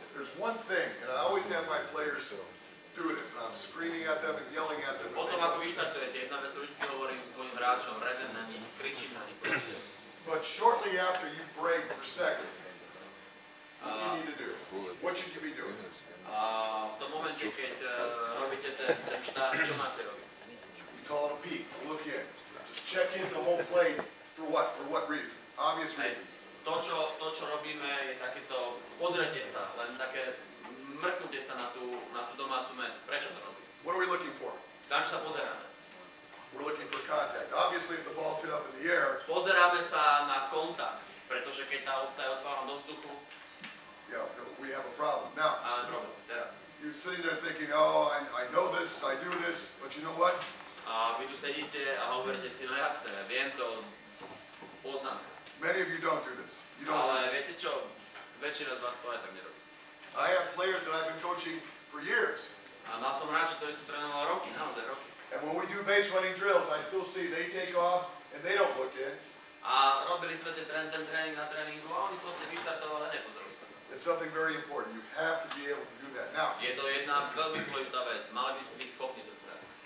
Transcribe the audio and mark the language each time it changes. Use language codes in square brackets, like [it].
[en] There's one thing, and I always have my players do this, and I'm screaming at them and yelling at them. [sk] Potom ako vyštartujete, jedna vec, vždycky hovorím svojim hráčom, rezem na nich, kričím na nich. [en] But shortly after you break for second, what do you need to do? What should you be doing? [sk] V tom momente, keď robíte ten štart, čo máte robiť? [en] We call it a peek, a look in. Just check in to home plate. For what reason? Obvious reasons. [sk] To, čo robíme, je takéto, pozrite sa, len také, mrknúte sa na tú domácu metu. Prečo to robíme? [en] What are we looking for? [sk] Na čo sa pozeráme? [en] We're looking for contact. Obviously, if the ball's hit up in the air. [sk] Pozeráme sa na kontakt, pretože keď tá lopta je otvorená do vzduchu. [en] Yeah, we have a problem. Now, [sk] problem, teraz. [en] You're sitting there thinking, oh, I know this, I do this, but you know what? [sk] A vy tu sedíte a hovoríte si, no jasné, viem to, poznám. [en] Many of you don't do this. You don't. [sk] Ale viete čo? Väčšina z vás to aj tak nerobí. [en] I have players that I've been coaching for years. [sk] A mal som hráča, ktorý som trénoval roky, naozaj roky. [en] And when we do base running drills, I still see they take off and they don't look in. [sk] A robili sme ten tréning na tréningu a oni proste vyštartovali a nepozerali sa. [en] It's something very important. You have to be able to do that. Now. [sk] Je to jedna veľmi dôležitá vec. Mali by ste byť schopní to spraviť.